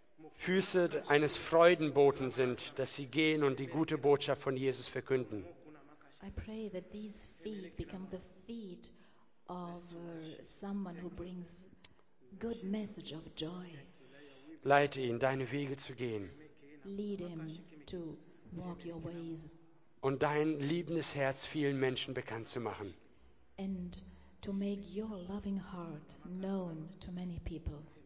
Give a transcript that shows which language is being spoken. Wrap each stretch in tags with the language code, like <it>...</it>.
<de>Füße eines Freudenboten sind, dass sie gehen und die gute Botschaft von Jesus verkünden.</de> <en>I pray that these feet become the feet of someone who brings good message of joy.</en> <de>Leite ihn, deine Wege zu gehen.</de> <en>Lead him to walk your ways.</en> <de>Und dein liebendes Herz vielen Menschen bekannt zu machen.</de> <en>And to make your loving heart known to many people.</en>